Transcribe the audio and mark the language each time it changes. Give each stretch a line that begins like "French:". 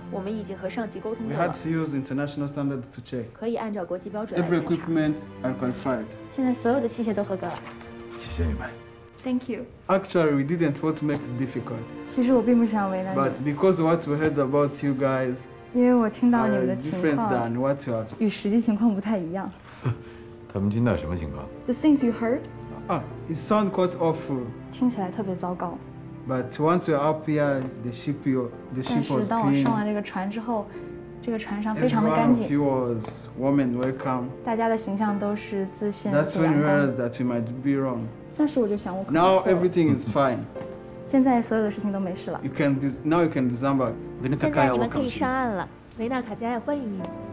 Chinese: 我们已经和上级沟通了。
English: We had to use international standard to check.
Chinese: 可以按照国际标准来检查。
English: Every equipment are qualified.
Chinese: 现在所有的器械都合格了。谢谢你们。
English: Thank you. Actually, we didn't want to make it difficult.
Chinese: 其实我并不想为难你。
English: But because what we heard about you guys,
Chinese: 因为我听到你们的情况与实际情况不太一样。他们听到什么情况?
English: The things you heard? It sounds quite awful.
Chinese: 听起来特别糟糕。
English: But once you're up here, the ship was clean.
Chinese: 但是当我上了这个船之后, 这个船上非常的干净。
English: Everyone of you was warm and welcome.
Chinese: 大家的形象都是自信,
English: That's when you realized that you might be wrong.
Chinese: 但是我就想我可能错了。
English: Now everything is fine.
Chinese: 现在所有的事情都没事了。
English: Now you can disembark.
Chinese: 现在你们可以上岸了, 维纳卡加亚欢迎你。